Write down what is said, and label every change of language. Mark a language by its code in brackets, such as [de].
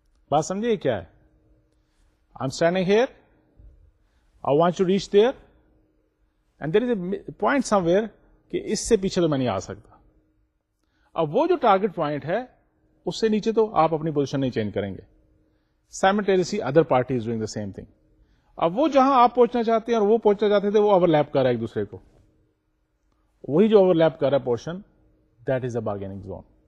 [ur] بات سمجھیے کیا ہے, [en] I'm standing here, I want to reach there, and there is a point somewhere [ur] کہ اس سے پیچھے تو میں نہیں آ سکتا. اب وہ جو ٹارگیٹ پوائنٹ ہے اس سے نیچے تو آپ اپنی پوزیشن نہیں چینج کریں گے. [en] Simultaneously, other party is doing the same thing. [ur] اب وہ جہاں آپ پہنچنا چاہتے ہیں اور وہ پہنچنا چاہتے تھے, وہ اوور لیپ کر رہا ہے ایک دوسرے کو, وہی جو اوور لیپ کر رہا ہے portion, [en] That is a bargaining zone.